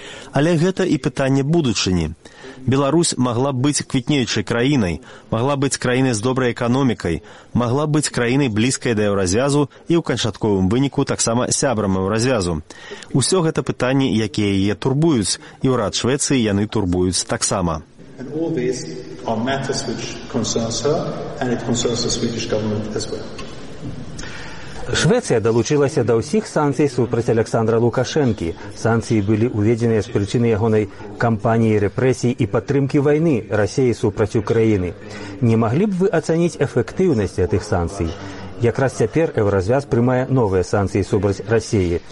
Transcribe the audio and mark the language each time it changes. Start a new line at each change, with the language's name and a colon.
Belarusian: Але гэта і пытанне будучыні. Беларусь могла быць квітнеючай краінай, могла быць краінай з добрай эканомікай, могла быць краінай блізкай да Еўразвязу і ў канчатковым выніку таксама сябрам Еўразвязу. Усё гэта пытанні, якія яе турбуюць, і ўрад Швецыі яны турбуюць таксама.
English: And all these are matters which concerns her, and it concerns the Swedish government as well.
Ukrainian: Швеція долучилася до усіх санкцій супроти Олександра Лукашенки. Санкції були введені з причини його кампанії репресій і підтримки війни Росії супроти України. Не могли б ви оцінити ефективність цих санкцій? Якраз тепер Євразвяз приймає нові санкції супроти Росії.